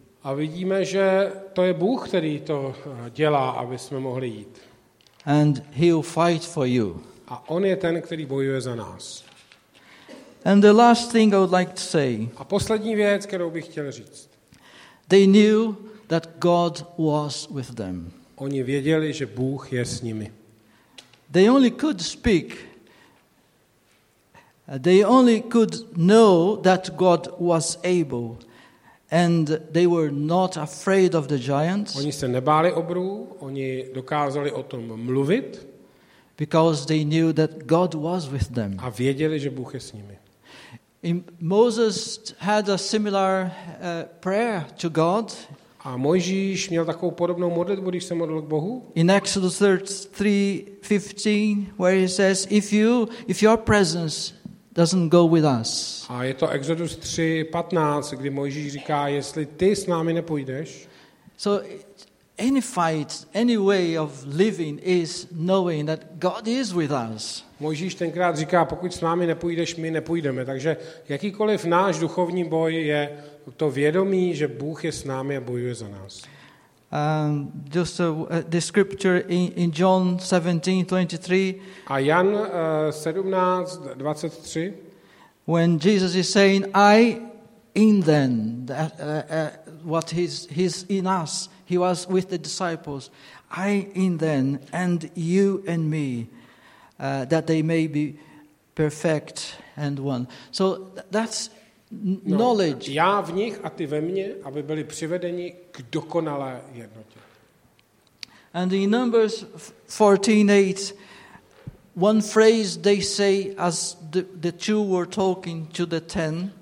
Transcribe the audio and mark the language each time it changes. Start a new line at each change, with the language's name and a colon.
Czech: A vidíme, že to je Bůh, který to dělá, aby jsme mohli jít.
English: And he'll fight for you.
Czech: A on je ten, který bojuje za nás.
English: And the last thing I would like to say.
Czech: A poslední věc, kterou bych chtěl říct.
English: They knew that God was with them.
Czech: Oni věděli, že Bůh je s nimi.
English: They only could speak. They only could know that God was able, and they were not afraid of the giants.
Czech: Oni se nebáli obrů, oni dokázali o tom mluvit.
English: Because they knew that God was with them.
Czech: A věděli, že Bůh je s nimi.
English: Moses had a similar prayer to God.
Czech: A Mojžíš měl takovou podobnou modlitbu, když se modlil k Bohu.
English: In Exodus 3:15, where he says, if your presence doesn't go with us.
Czech: A je to Exodus 3:15, kdy Mojžíš říká, jestli ty s námi nepůjdeš.
English: So any fight, any way of living is knowing that God is with us.
Czech: Mojžíš tenkrát říká, pokud s námi nepůjdeš, my nepůjdeme. Takže jakýkoliv náš duchovní boj je to vědomí, že Bůh je s námi a bojuje za nás.
English: Just the scripture in John 17:23.
Czech: A Jan 17:23.
English: When Jesus is saying, I in them, that, what he's in us. He was with the disciples, I in them, and you and me, that they may be perfect and one. So that's knowledge.
Czech: Já v nich a ty ve mně, aby byli přivedeni k dokonalé jednotě.
English: And in Numbers 14:8, one phrase they say as the two were talking to the ten.